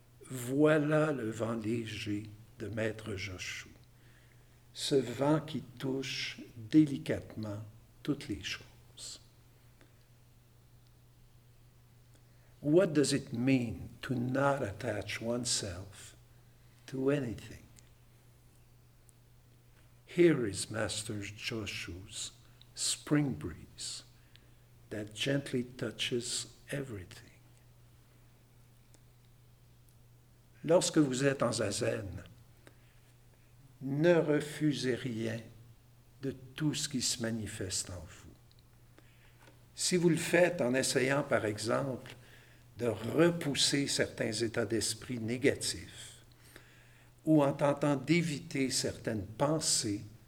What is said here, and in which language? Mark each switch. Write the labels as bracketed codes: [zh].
[fr] Voilà le vent léger de Maître Joshua, ce vent qui touche délicatement toutes les choses. [en] What does it mean to not attach oneself to anything? Here is Master Joshua's spring breeze that gently touches everything. [fr] Lorsque vous êtes en zazen, ne refusez rien de tout ce qui se manifeste en vous. Si vous le faites en essayant, par exemple, de repousser certains états d'esprit négatifs ou en tentant d'éviter certaines pensées